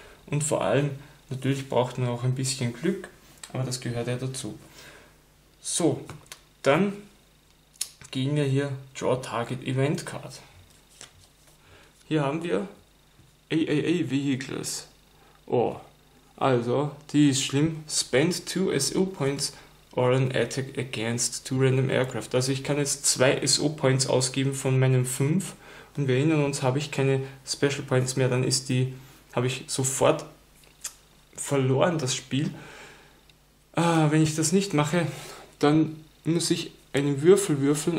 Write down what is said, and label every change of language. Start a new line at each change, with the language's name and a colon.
German: Und vor allem, natürlich braucht man auch ein bisschen Glück, aber das gehört ja dazu. So, dann gehen wir hier Draw Target Event Card. Hier haben wir AAA Vehicles. Oh, also, die ist schlimm.
English: Spend 2 SO Points or an attack against 2 random aircraft.
German: Also, ich kann jetzt 2 SO Points ausgeben von meinem 5. Und wir erinnern uns, habe ich keine Special Points mehr, dann ist die, habe ich sofort verloren, das Spiel. Wenn ich das nicht mache, dann muss ich einen Würfel würfeln.